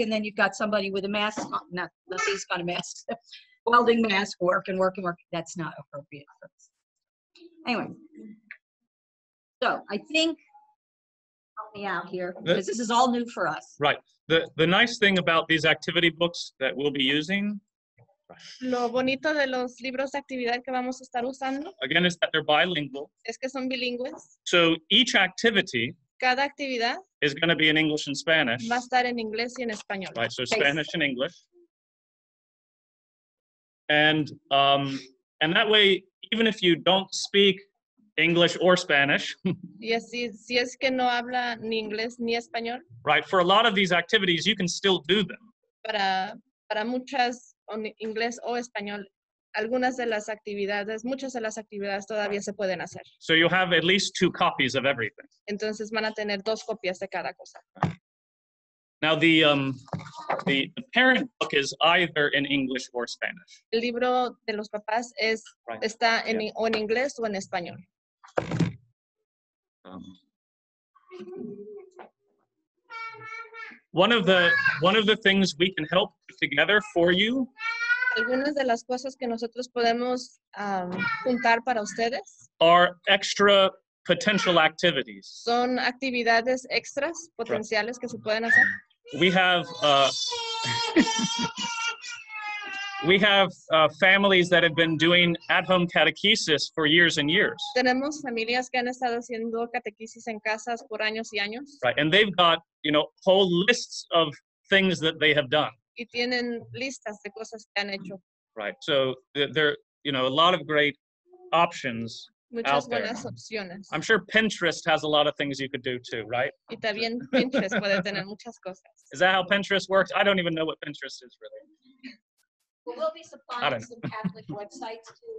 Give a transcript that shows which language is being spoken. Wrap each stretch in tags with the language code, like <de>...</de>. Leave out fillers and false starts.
<en>And then you've got somebody with a mask on, not these kind of masks, welding mask, work. That's not appropriate. Anyway, so I think, help me out here, because this is all new for us. Right. The nice thing about these activity books that we'll be using.</en> <es>Lo bonito de los libros de actividad que vamos a estar usando.</es> <en>Again, is that they're bilingual.</en> <es>Es que son bilingües.</es> <en>So each activity.</en> <es>Cada actividad.</es> <en>Is going to be in English and Spanish.</en> <es>Va a estar en inglés y en español.</es> <en>Right, so Spanish and English. And and that way, even if you don't speak English or Spanish.</en> <es>Yes, si es que no habla ni inglés ni español.</es> <en>Right, for a lot of these activities, you can still do them.</en> <es>Para muchas, en inglés o español, algunas de las actividades, muchas de las actividades todavía se pueden hacer.</es> <en>So you have at least two copies of everything.</en> <es>Entonces van a tener dos copias de cada cosa.</es> <en>Now the parent book is either in English or Spanish.</en> <es>El libro de los papás es right. está en yeah. o en inglés o en español.</es> <en>One of the things we can help together for you.</en> <es>Algunas de las cosas que nosotros podemos juntar para ustedes.</es> <en>Are extra potential activities.</en> <es>Son actividades extras potenciales right. que se pueden hacer.</es> <en>We have families that have been doing at-home catechesis for years and years.</en> <es>Tenemos familias que han estado haciendo catequesis en casas por años y años.</es> <en>Right, and they've got, you know, whole lists of things that they have done.</en> <es>Y tienen listas de cosas que han hecho.</es> <en>Right, so there are, you know, a lot of great options.</en> <es>Muchas buenas opciones.</es> <en>I'm sure Pinterest has a lot of things you could do too, right?</en> <es>Y también Pinterest puede tener muchas cosas.</es> <en>Is that how Pinterest works? I don't even know what Pinterest is really. Well, we'll be supplying some Catholic websites too.</en>